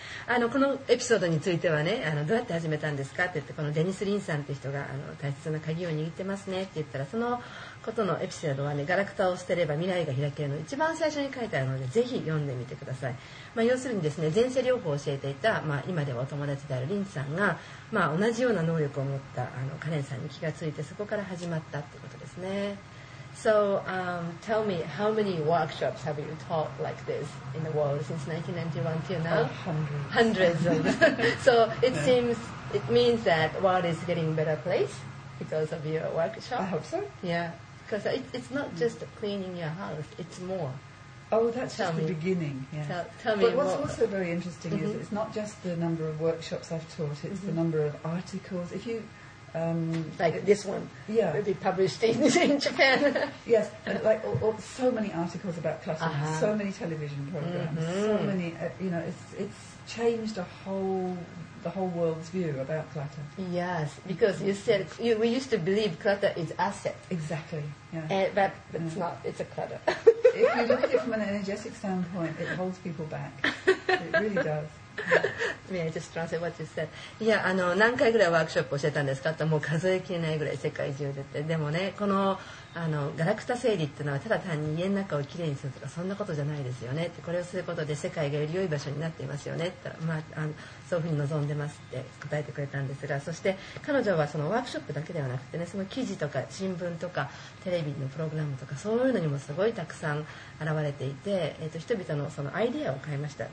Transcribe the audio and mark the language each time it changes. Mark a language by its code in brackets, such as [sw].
[ja] あのこのエピソードについてはね、あのどうやって始めたんですかって言って、このデニス・リンさんって人があの大切な鍵を握ってますねって言ったら、そのことのエピソードはね、ガラクタを捨てれば未来が開けるの一番最初に書いてあるので、ぜひ読んでみてください。まあ、要するにですね、前世療法を教えていた、まあ、今ではお友達であるリンさんが、まあ、同じような能力を持ったあのカレンさんに気がついて、そこから始まったってことですね。 [en] So, tell me, how many workshops have you taught like this in the world since 1991 till now? Hundreds. Hundreds. So, it means that the world is getting a better place because of your workshop. I hope so. Yeah. Because it's not just cleaning your house, it's more. Oh, that's tell just me. The beginning. Yeah. Tell me But what's more. Also very interesting is it's not just the number of workshops I've taught, it's the number of articles. If you... like this one will be published in Japan. Yes, like so many articles about cluttering, so many television programs, so many, you know, it's changed the whole world's view about clutter. Yes, because you said, we used to believe clutter is asset. Exactly, But it's not, it's a clutter. If you look at it from an energetic standpoint, it holds people back. It really does. May I just translate what you said? [ja] いや、あの、何回ぐらいワークショップを教えたんですかって、もう数えきれないぐらい世界中でって。でもね、この、あの、ガラクタ整理っていうのは、ただ単に家の中をきれいにするとか、そんなことじゃないですよねって。これをすることで世界がより良い場所になっていますよねって。まあ、あの、そういうふうに望んでますって答えてくれたんですが、そして彼女はそのワークショップだけではなくてね、その記事とか新聞とかテレビのプログラムとか、そういうのにもすごいたくさん現れていて、人々のそのアイデアを変えました。